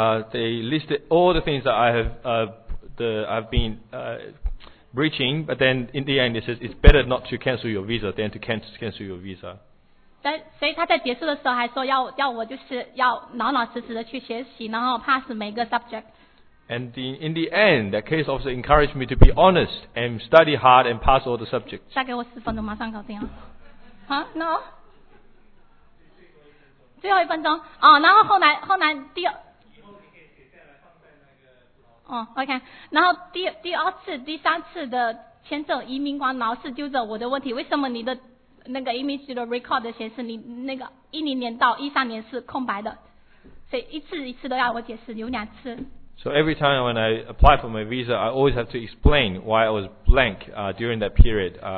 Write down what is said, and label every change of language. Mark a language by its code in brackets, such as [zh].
[en] They listed all the things that I've been breaching, but then in the end it says it's better not to cancel your visa than to cancel your visa. [zh] 所以他在结束的时候还说要我就是要老老实实的去学习，然后pass每个 subject。 [en] And in the end, that case also encouraged me to be honest and study hard and pass all the subjects. [zh] 再给我十分钟，马上搞定啊！啊，no。最后一分钟，然后后来第二次、第三次的签证，移民官老是揪着我的问题，为什么你的那个移民局的 record 显示你那个一零年到一三年是空白的，所以一次一次都要我解释，有两次。 [en] So every time when I apply for my visa, I always have to explain why I was blank during that period.